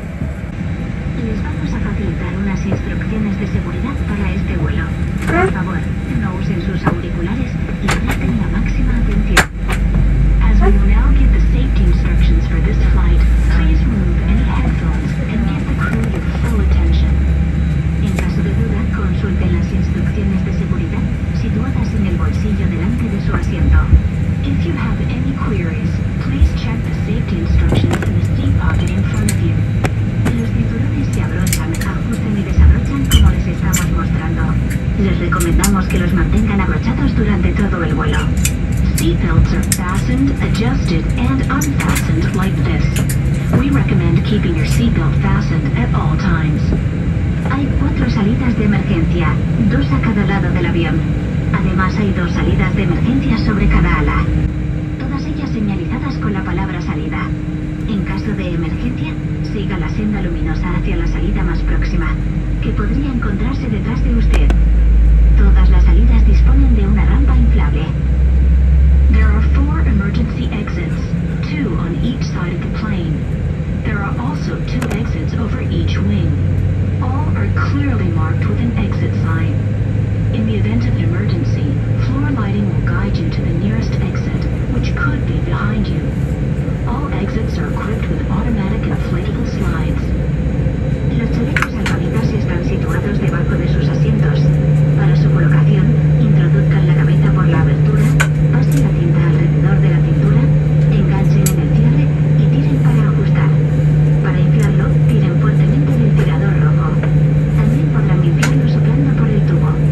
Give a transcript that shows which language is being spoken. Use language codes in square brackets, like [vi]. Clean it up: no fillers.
[es] Les vamos a facilitar unas instrucciones de seguridad para este vuelo. Por favor, no usen sus auriculares y presten la máxima atención. [en] As we will now give the safety instructions for this flight, please remove any headphones and give the crew your full attention. [es] En caso de duda, consulte las instrucciones de seguridad situadas en el bolsillo delante de su asiento. [en] If you have any queries, please check the safety instructions in the seat pocket in front of you. [es] Los cinturones se abrochan, ajusten y desabrochan como les estamos mostrando. Les recomendamos que los mantengan abrochados durante todo el vuelo. [en] Seatbelts are fastened, adjusted, and unfastened like this. We recommend keeping your seatbelt fastened at all times. [es] Hay cuatro salidas de emergencia, dos a cada lado del avión. Además, hay dos salidas de emergencia sobre cada ala, todas ellas señalizadas con la palabra salida. En caso de emergencia, siga la senda luminosa hacia la salida más próxima, que podría encontrarse detrás de usted. Todas las salidas disponen de una rampa inflable. [en] There are four emergency exits, two on each side of the plane. There are also two exits over each wing. All are clearly marked with an exit sign. In the event of an emergency, floor lighting will guide you to the nearest exit, which could be behind you. All exits are equipped with automatic inflatable slides. [es] Los chalecos salvavidas están situados debajo de sus asientos. Para su colocación, introduzcan la cabeza por la abertura, pasen la cinta alrededor de la cintura, enganchen en el cierre y tiren para ajustar. Para inflarlo, tiren fuertemente el tirador rojo. También podrán inflarlo soplando por el tubo.